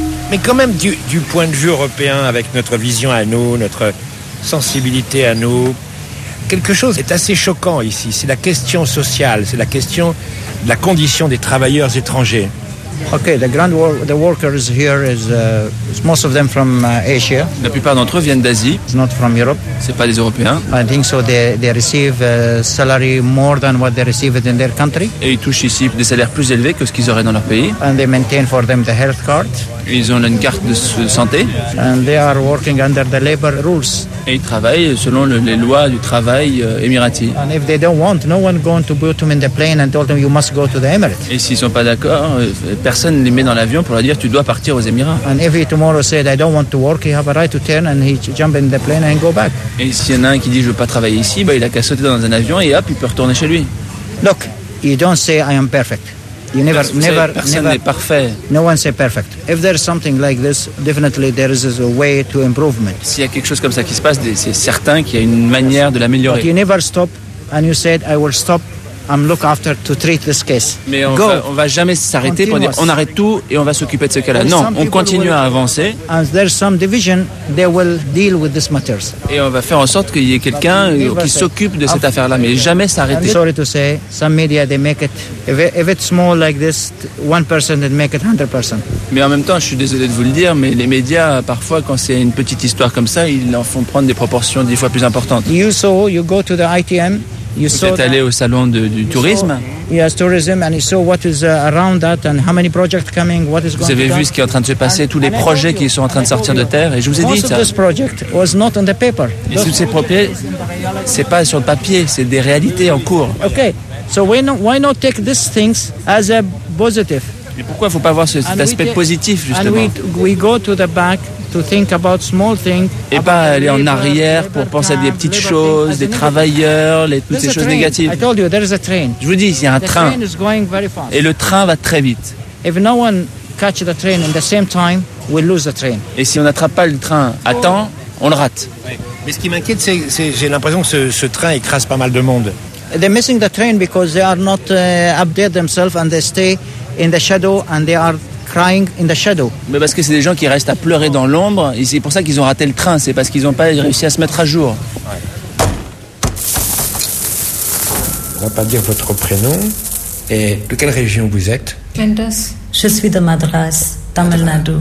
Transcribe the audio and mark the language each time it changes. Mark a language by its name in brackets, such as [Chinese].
[French] Mais quand même, du point de vue européen, avec notre vision à nous, notre sensibilité à nous, quelque chose est assez choquant ici. C'est la question sociale, c'est la question de la condition des travailleurs étrangers. [English] Okay, the workers here is most of them from Asia. [French] La plupart d'entre eux viennent d'Asie. [English] It's not from Europe. [French] C'est pas des Européens. [English] I think so. They receive a salary more than what they receive in their country. [French] Et ils touchent ici des salaires plus élevés que ce qu'ils auraient dans leur pays. [English] And they maintain for them the health card. [French] Ils ont une carte de santé. [English] And they are working under the labor rules. [French] Et ils travaillent selon les lois du travail émirati. [English] And if they don't want, no one going to put them in the plane and told them you must go to the Emirates. [French] Et s'ils sont pas d'accord, personne ne les met dans l'avion pour leur dire tu dois partir aux Émirats. [English] And if he tomorrow said I don't want to work, he have a right to turn and he jump in the plane and go back. [French] Et s'il y en a un qui dit je veux pas travailler ici, bah il a qu'à sauter dans un avion et hop il peut retourner chez lui. [English] Look, you don't say I am perfect. You [French] never, personne never, personne never, n'est parfait. [English] No one say perfect. If there's something like this, definitely there is a way to improvement. [French] S'il y a quelque chose comme ça qui se passe, c'est certain qu'il y a une manière de l'améliorer. [English] But you never stop, and you said I will stop. I'm look after to treat this case. [French] Mais on va jamais s'arrêter pour dire on arrête tout et on va s'occuper de ce cas-là. Non, on continue à avancer. [English] And there's some division, they will deal with this matters. [French] Et on va faire en sorte qu'il y ait quelqu'un qui s'occupe de cette affaire-là, mais jamais s'arrêter. [English] I'm sorry to say, some media they make it. If it's small like this, one person they make it 100%. [French] Mais en même temps, je suis désolé de vous le dire, mais les médias parfois, quand c'est une petite histoire comme ça, ils en font prendre des proportions 10 fois plus importantes. [English] You saw, you go to the ITM. [French] Vous êtes allé au salon du tourisme. [English] Yes, tourism, and you saw what is around that, and how many projects coming, what is going. [French] Vous avez vu ce qui est en train de se passer, tous les projets qui sont en train de sortir de terre, et je vous ai dit ça. [English] This project was not on the paper. [French] Tous ces projets, c'est pas sur le papier, c'est des réalités en cours. [English] Okay, so why not take these things as a positive? [French] Mais pourquoi faut pas voir cet aspect positif justement? [English] And we go to the back. To think about small things, [French] et pas aller en arrière pour penser à des petites choses, des travailleurs, toutes ces choses négatives. [English] I told you, there is a train. [French] Je vous dis, il y a un train. [English] The train is going very fast. [French] Et le train va très vite. [English] If no one catches the train in the same time, we lose the train. [French] Et si on n'attrape pas le train à temps, on le rate. Oui. Mais ce qui m'inquiète, c'est j'ai l'impression que ce train écrase pas mal de monde. [English] They're missing the train because they are not updated themselves and they stay in the shadow and they are. Crying in the shadow. [French] Mais parce que c'est des gens qui restent à pleurer dans l'ombre, et c'est pour ça qu'ils ont raté le train, c'est parce qu'ils n'ont pas réussi à se mettre à jour. Ouais. On ne va pas dire votre prénom et de quelle région vous êtes. Mendes. Je suis de Madras, Tamil Nadu,